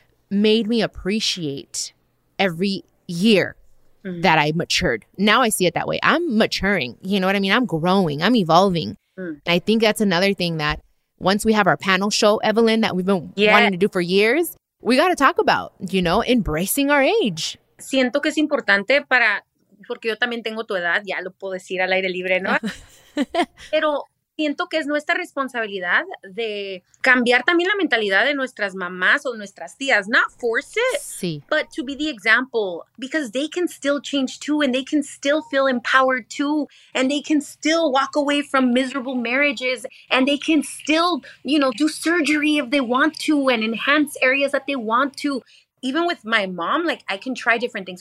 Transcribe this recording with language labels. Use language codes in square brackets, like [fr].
[en] made me appreciate every year mm-hmm. that I matured. Now I see it that way. I'm maturing. You know what I mean? I'm growing. I'm evolving. Mm. And I think that's another thing that once we have our panel show, Evelyn, that we've been wanting to do for years, we got to talk about, you know, embracing our age. [es] Siento que es importante para, porque yo también tengo tu edad, ya lo puedo decir al aire libre, ¿no? Pero siento que es nuestra responsabilidad de cambiar también la mentalidad de nuestras mamás o nuestras tías. [en] Not force it, [es] sí. [en] but to be the example, because they can still change too, and they can still feel empowered too, and they can still walk away from miserable marriages, and they can still, you know, do surgery if they want to and enhance areas that they want to. Even with my mom, like, I can try different things.